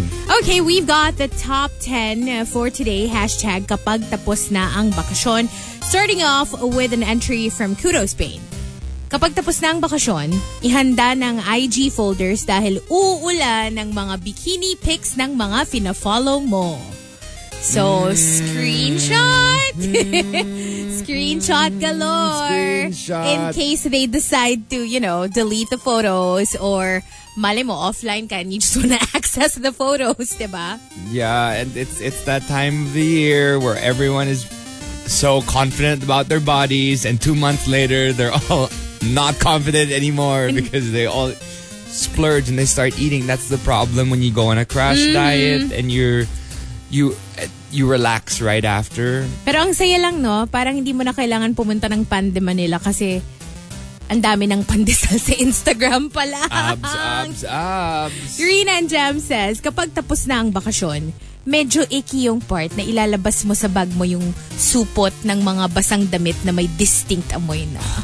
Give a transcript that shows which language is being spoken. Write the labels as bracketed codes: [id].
[en] Okay, we've got the top 10 for today. [tl] Hashtag kapag tapos na ang bakasyon. [en] Starting off with an entry from Kudo Spain. [tl] Kapag tapos na ang bakasyon, ihanda ng IG folders dahil uulan ng mga bikini pics ng mga fina-follow mo. [en] So, screenshot! Screenshot galore! Screenshot. In case they decide to, you know, delete the photos or [tl] mali mo, [en] offline ka and you just wanna access the photos, diba? Yeah, and it's that time of the year where everyone is so confident about their bodies and 2 months later, they're all not confident anymore because they all splurge and they start eating. That's the problem when you go on a crash diet and you relax right after. [tl] Pero ang saya lang, no? Parang hindi mo na kailangan pumunta ng Pande Manila kasi ang dami ng pandesal sa Instagram pala. [en] Abs. [tl] Green and Gem says, kapag tapos na ang bakasyon, medyo icky yung part na ilalabas mo sa bag mo yung supot ng mga basang damit na may distinct amoy na.